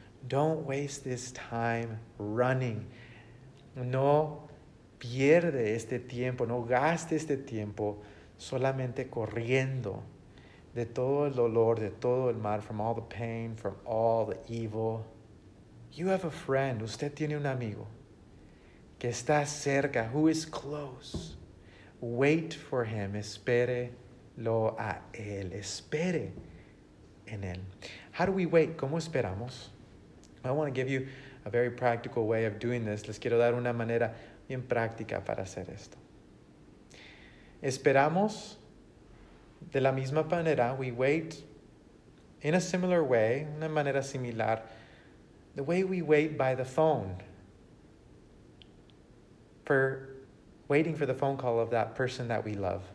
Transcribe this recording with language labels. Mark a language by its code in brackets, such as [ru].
[en] Don't waste this time running. [es] No pierde este tiempo, no gaste este tiempo solamente corriendo de todo el dolor, de todo el mal, [en] from all the pain, from all the evil. You have a friend, [es] usted tiene un amigo que está cerca, [en] who is close. Wait for him, [es] espérelo a él, espere en él. [en] How do we wait? [es] ¿Cómo esperamos? [en] I want to give you a very practical way of doing this. [es] Les quiero dar una manera bien práctica para hacer esto. Esperamos de la misma manera, [en] we wait in a similar way, [es] una manera similar, [en] the way we wait by the phone, for waiting for the phone call of that person that we love.